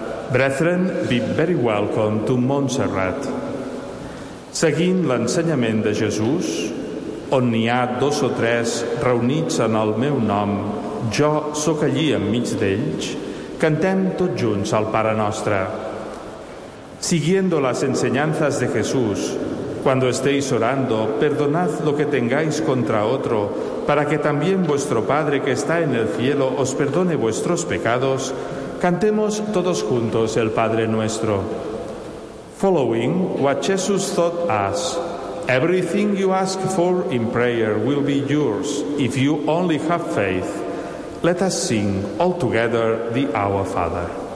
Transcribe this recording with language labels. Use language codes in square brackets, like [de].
[en] Brethren, be very welcome to Montserrat. [ca] Seguint l'ensenyament de Jesús, on n'hi ha dos o tres reunits en el meu nom, jo sóc allí enmig d'ells, cantem tots junts al Pare Nostre. [es] Siguiendo las enseñanzas de Jesús, cuando estéis orando, perdonad lo que tengáis contra otro, para que también vuestro Padre que está en el cielo os perdone vuestros pecados, cantemos todos juntos el Padre Nuestro. [en] Following what Jesus taught us, everything you ask for in prayer will be yours if you only have faith. Let us sing all together the Our Father.